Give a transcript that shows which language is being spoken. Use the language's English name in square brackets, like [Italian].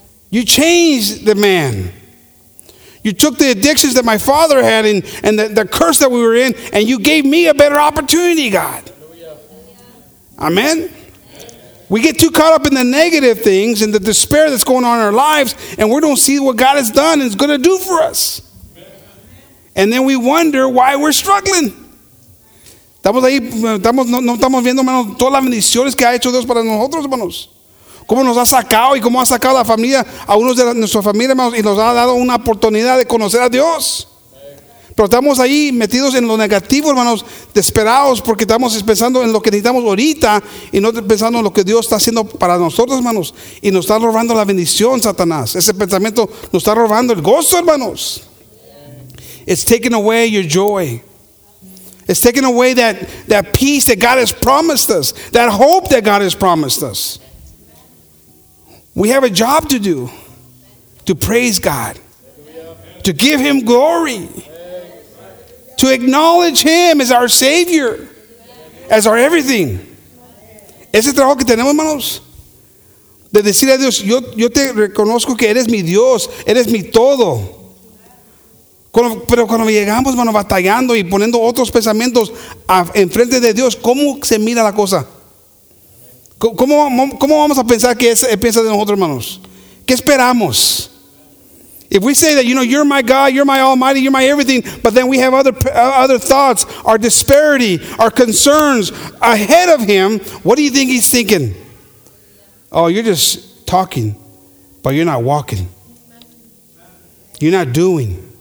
[English] You changed the man. You took the addictions that my father had and the curse that we were in, and you gave me a better opportunity, God. Amen. We get too caught up in the negative things and the despair that's going on in our lives, and we don't see what God has done and is going to do for us. And then we wonder why we're struggling. [Spanish] Estamos ahí, no estamos viendo, hermanos, todas las bendiciones que ha hecho Dios para nosotros, hermanos. Cómo nos ha sacado y cómo ha sacado la familia, a unos de nuestra familia, hermanos, y nos ha dado una oportunidad de conocer a Dios. Pero estamos ahí metidos en lo negativo, hermanos, desesperados porque estamos pensando en lo que necesitamos ahorita y no pensando en lo que Dios está haciendo para nosotros, hermanos. Y nos está robando la bendición, Satanás. Ese pensamiento nos está robando el gozo, hermanos. [English] It's taking away your joy. It's taking away that peace that God has promised us, that hope that God has promised us. We have a job to do, to praise God, to give Him glory. To acknowledge Him as our Savior, as our everything. [Spanish] Ese trabajo que tenemos, hermanos, de decir a Dios, yo te reconozco que eres mi Dios, eres mi todo. Pero cuando llegamos, hermano, batallando y poniendo otros pensamientos en frente de Dios, ¿cómo se mira la cosa? ¿Cómo vamos a pensar que Él piensa de nosotros, hermanos? ¿Qué esperamos? [English] If we say that, you know, you're my God, you're my Almighty, you're my everything, but then we have other thoughts, our disparity, our concerns ahead of Him, what do you think He's thinking? Oh, you're just talking, but you're not walking. You're not doing.